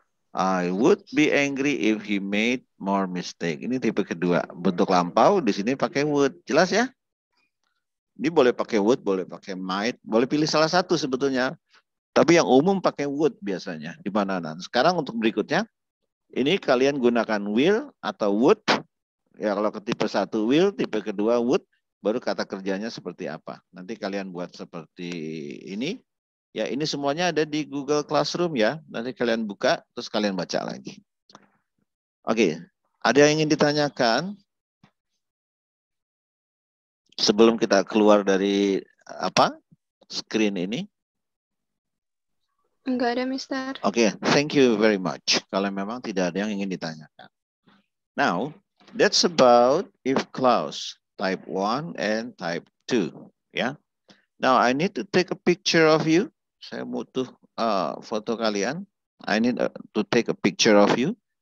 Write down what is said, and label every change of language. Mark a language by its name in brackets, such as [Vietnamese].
[English] I would be angry if he made more mistake. [Indonesian] Ini tipe kedua. Bentuk lampau di sini pakai would. Jelas ya? Ini boleh pakai would, boleh pakai might, boleh pilih salah satu sebetulnya. Tapi yang umum pakai would biasanya di mana-mana. Sekarang untuk berikutnya, ini kalian gunakan will atau would. Ya kalau ke tipe satu will, tipe kedua would, baru kata kerjanya seperti apa. Nanti kalian buat seperti ini. Ya ini semuanya ada di Google Classroom ya. Nanti kalian buka, terus kalian baca lagi. Oke, ada yang ingin ditanyakan? Sebelum kita keluar dari apa screen ini? Enggak ada, Mister. [English] Oke, thank you very much. [Indonesian] Kalau memang tidak ada yang ingin ditanyakan. [English] Now, that's about if clause type 1 and type 2. Yeah? Now, I need to take a picture of you. [Indonesian] Saya butuh foto kalian. [English] I need to take a picture of you.